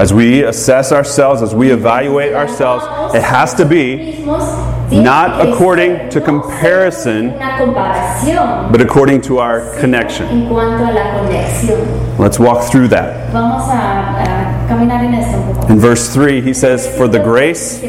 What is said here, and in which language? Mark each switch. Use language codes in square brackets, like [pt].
[en] As we assess ourselves, as we evaluate ourselves, it has to be not according to comparison, but according to our connection. [es] En cuanto a la conexión. [en] Let's walk through that. [es] Vamos a caminar en esto un poco. [en] In verse 3, he says, "For the grace